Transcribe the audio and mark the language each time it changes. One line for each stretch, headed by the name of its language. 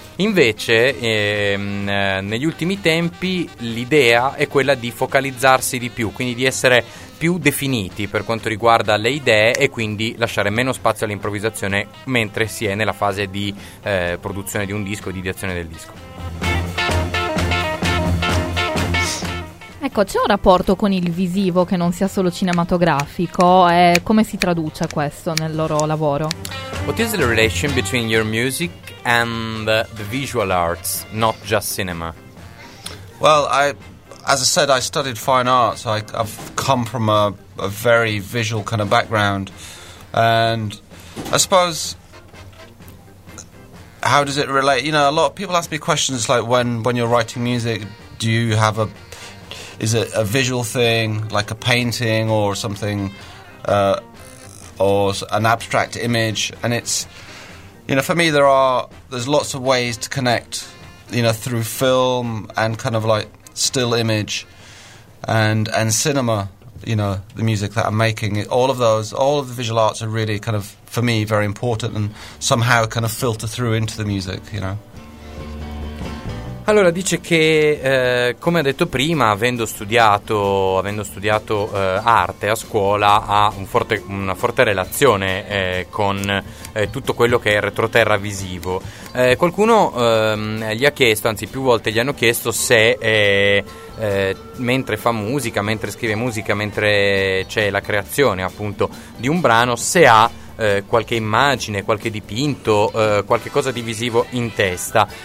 Italian: Invece negli ultimi tempi l'idea è quella di focalizzarsi di più, quindi di essere più definiti per quanto riguarda le idee e quindi lasciare meno spazio all'improvvisazione mentre si è nella fase di produzione di un disco e di ideazione del disco. Ecco, c'è un rapporto con il visivo che non sia solo cinematografico, e come si traduce questo nel loro lavoro?
English: What is the relation between your music and the visual arts, not just cinema? Well, As I said, I studied fine arts. I've come from a very visual kind of background, and I suppose, how does it relate? You know, a lot of people ask me questions like, when you're writing music, do you have a... Is it a visual thing, like a painting or something, or an abstract image? And it's, you know, for me, there's lots of ways to connect, you know, through film and kind of like still image and cinema, you know, the music that I'm making. All of the visual arts are really kind of, for me, very important and somehow kind of filter through into the music, you know.
Italian: Allora dice che, come ha detto prima, avendo studiato arte a scuola, ha una forte relazione con tutto quello che è il retroterra visivo. Qualcuno gli ha chiesto, anzi più volte gli hanno chiesto, se mentre fa musica, mentre scrive musica, mentre c'è la creazione appunto di un brano, se ha qualche immagine, qualche dipinto, qualche cosa di visivo in testa.